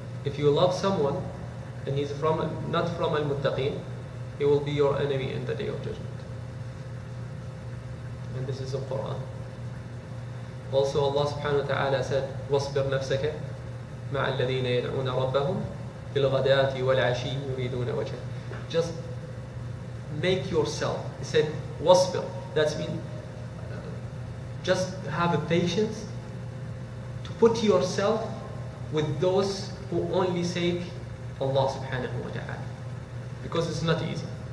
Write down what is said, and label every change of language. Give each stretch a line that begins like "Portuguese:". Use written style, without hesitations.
English: If you love someone and he's from not from al-muttaqin, he will be your enemy in the Day of Judgment. And this is the Quran. Also Allah subhanahu wa ta'ala said,
Arabic: وَاصْبِرْ نَفْسَكَ مَعَ الَّذِينَ يَدْعُونَ رَبَّهُمْ بِالْغَدَاةِ وَالْعَشِيِّ يُرِيدُونَ وَجْهًا.
English: Just make yourself. He said, وَاصْبِرْ. That means, just have a patience to put yourself with those who only seek Allah subhanahu wa ta'ala. Because it's not easy.